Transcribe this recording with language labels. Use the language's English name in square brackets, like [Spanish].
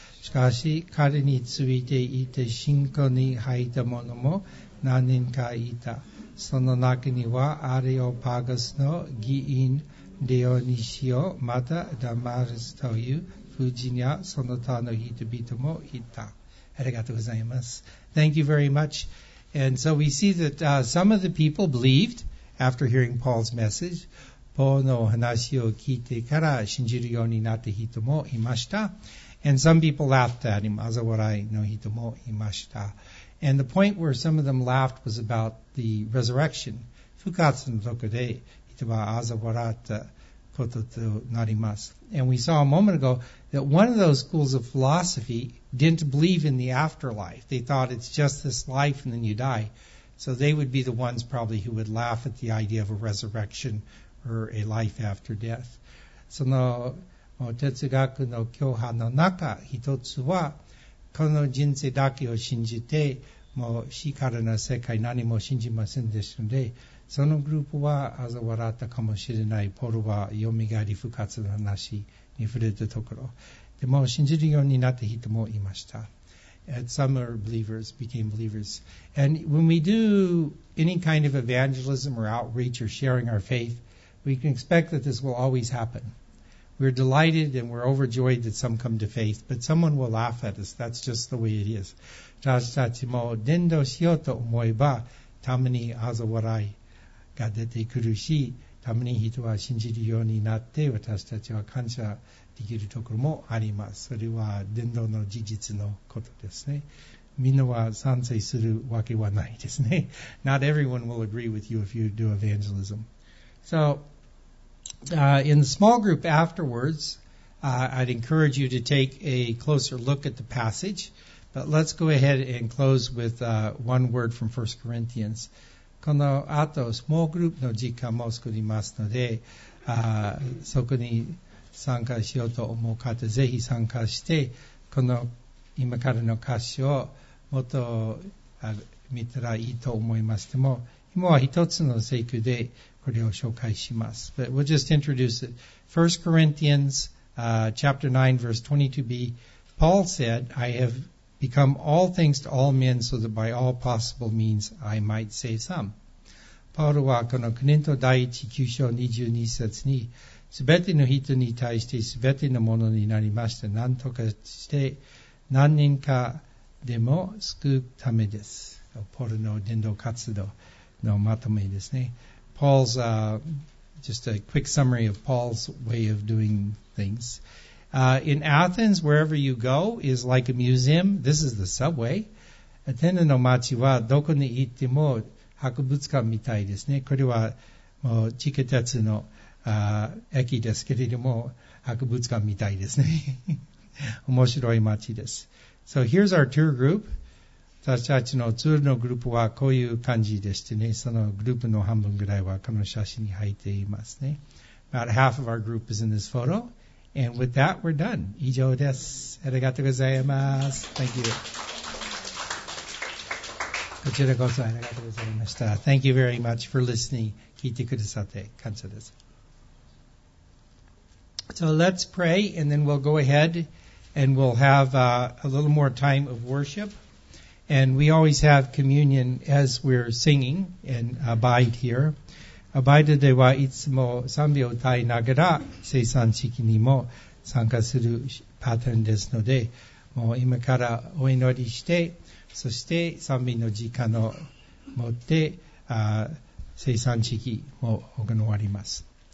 [Japanese] しかし彼についていて信仰に入った者も何人かいた。その中にはアレオパーガスの議員レオニシオ、またダマルスという婦人やその他の人々もいた。ありがとうございます。 [English] Thank you very much. And so we see that、some of the people believed after hearing Paul's message. [Japanese] Paul の話を聞いてから信じるようになった人もいました。 [English] And some people laughed at him. [Japanese] 嘲笑いの人もいました。 [English] And the point where some of them laughed was about the resurrection. [Japanese] 復活のとこで人は嘲笑ったこととなります。 [English] And we saw a moment ago that one of those schools of philosophy didn't believe in the afterlife. They thought it's just this life and then you die. So they would be the ones probably who would laugh at the idea of a resurrection or a life after death. [Japanese] その哲学の教派の中一つはこの人生だけを信じて、もう死からの世界何も信じませんでしたので、そのグループは嘲笑ったかもしれない。ポールは蘇り復活の話に触れたところ、でも信じるようになった人もいました。 [English] And some are believers, became believers. And when we do any kind of evangelism or outreach or sharing our faith, we can expect that this will always happenWe're delighted and we're overjoyed that some come to faith, but someone will laugh at us. That's just the way it is. [Japanese] 私たちも伝道しようと思えば、たまに嘲笑いが出てくるし、たまに人は信じるようになって、私たちは感謝できるところもあります。それは伝道の事実のことですね。みんなは賛成するわけはないですね。 [English] Not everyone will agree with you if you do evangelism. So,in the small group afterwards, I'd encourage you to take a closer look at the passage. But let's go ahead and close with one word from 1 Corinthians. [Japanese] この後、small group の時間も作りますので、そこに参加しようと思う方、ぜひ参加して、この今からの歌詞をもっと見たらいいと思いますけども、今は一つの聖句で、これを紹介します。 [English] But we'll just introduce it. 1 Corinthians chapter 9, verse 22b. Paul said, I have become all things to all men so that by all possible means I might save some. [Japanese] パウロはこのコリント第一九章二十二節に、すべての人に対してすべてのものになりました。なんとかして何人かでも救うためです。ポールの伝道活動のまとめですね。 [English] Paul's, just a quick summary of Paul's way of doing things. In Athens, wherever you go is like a museum. This is the subway. [Japanese] アテネの街はどこに行っても博物館みたいですね。これはもう地下鉄の駅ですけれども博物館みたいですね。面白い街です。 [English] So here's our tour group. [Japanese] 私たちのツールのグループはこういう感じでしてね、そのグループの半分ぐらいはこの写真に入っていますね。 [English] About half of our group is in this photo, And with that, we're done. [Japanese] 以上です。ありがとうございます。 [English] Thank you. [Japanese] こちらこそありがとうございました。 [English] Thank you very much for listening. [Japanese] 聞いてくださって感謝です。 [English] So let's pray, and then we'll go ahead and we'll have a little more time of worship. And we always have communion as we're singing and abide here. [Japanese] アバイドではいつも賛美を歌いながら聖餐式にも参加するパターンですので、もう今からお祈りして、そして賛美の時間を持って聖餐式も行います。